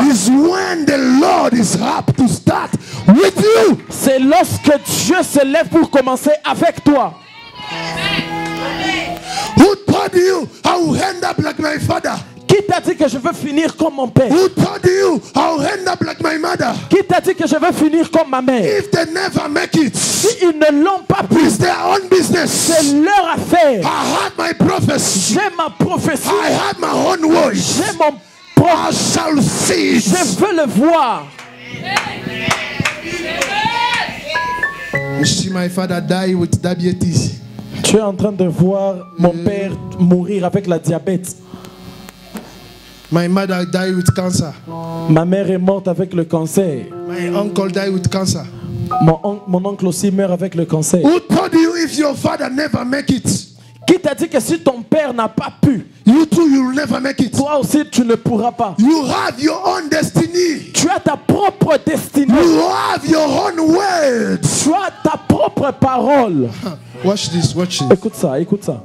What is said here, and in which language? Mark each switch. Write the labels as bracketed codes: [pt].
[en] Is when the Lord is happy to start with you. [fr] C'est lorsque Dieu se lève pour commencer avec toi. [en] Who told you I will end up like my father? [fr] Qui t'a dit que je veux finir comme mon père? [en] Who told you I will end up like my mother? [fr] Qui t'a dit que je veux finir comme ma mère? [en] If they never make it, [fr] si ils ne l'ont pas pu, [en] it's their own business. [fr] C'est leur affaire. [en] I had my prophecy. [fr] J'ai ma prophétie. [en] I had my own voice. [fr] J'ai mon propre. [en] I shall see. [fr] Je veux le voir. [en] You see my father die with diabetes. [fr] Tu es en train de voir mon père mourir avec la diabète. [en] My mother died with cancer. [fr] Ma mère est morte avec le cancer. [en] My uncle died with cancer. [fr] Mon oncle aussi meurt avec le cancer. [en] Who told you if your father never make it? [fr] Qui t'a dit que si ton père n'a pas pu? [en] You too, you'll never make it. [fr] Toi aussi, tu ne pourras pas. [en] You have your own destiny. [fr] Tu as ta propre destinée. [en] You have your own words. [fr] Tu as ta propre parole. [en] Watch this, watch this. [fr] Écoute ça, écoute ça.